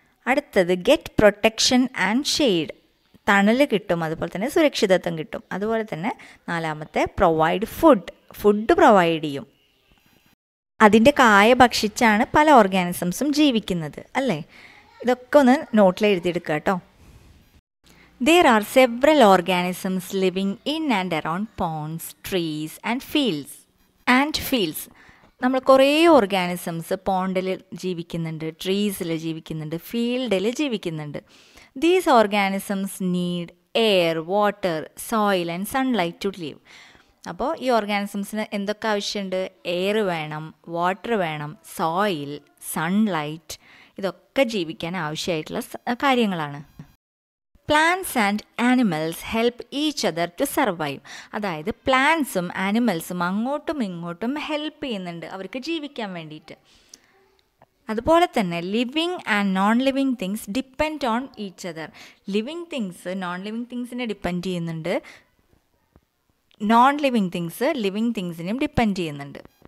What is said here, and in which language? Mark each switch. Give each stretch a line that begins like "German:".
Malayalam: അടുത്തത്
English: get protection and shade,
Malayalam: തണൽ കിട്ടും, അതുപോലെ തന്നെ സുരക്ഷിതത്വം കിട്ടും. അതുപോലെ തന്നെ നാലാമത്തെ
English: provide food,
Malayalam: ഫുഡ് പ്രൊവൈഡ് ചെയ്യും. അതിൻ്റെ കായ ഭക്ഷിച്ചാണ് പല ഓർഗാനിസംസും ജീവിക്കുന്നത് അല്ലേ. ഇതൊക്കെ ഒന്ന് നോട്ടിൽ എഴുതിയെടുക്കുക കേട്ടോ.
English: There are several organisms living in and around ponds, trees and fields.
Malayalam: നമ്മൾ കുറേ ഓർഗാനിസംസ് പോണ്ടിൽ ജീവിക്കുന്നുണ്ട്, ട്രീസിൽ ജീവിക്കുന്നുണ്ട്, ഫീൽഡിൽ ജീവിക്കുന്നുണ്ട്.
English: These organisms need air, water, soil and sunlight to live.
Malayalam: അപ്പോൾ ഈ ഓർഗാനിസംസിന് എന്തൊക്കെ ആവശ്യമുണ്ട്? എയർ വേണം, വാട്ടർ വേണം, സോയിൽ, സൺലൈറ്റ്, ഇതൊക്കെ ജീവിക്കാൻ ആവശ്യമായിട്ടുള്ള കാര്യങ്ങളാണ്.
English: Plants and animals help each other to survive.
Malayalam: അതായത് പ്ലാന്റ്സും ആനിമൽസും അങ്ങോട്ടും ഇങ്ങോട്ടും ഹെൽപ്പ് ചെയ്യുന്നുണ്ട് അവർക്ക് ജീവിക്കാൻ വേണ്ടിയിട്ട്. അതുപോലെ തന്നെ
English: Living and non living things depend on each other.
Malayalam: Living things non living തിങ്സിനെ depend ചെയ്യുന്നുണ്ട്, non living things living തിങ്സിനെയും depend ചെയ്യുന്നുണ്ട്.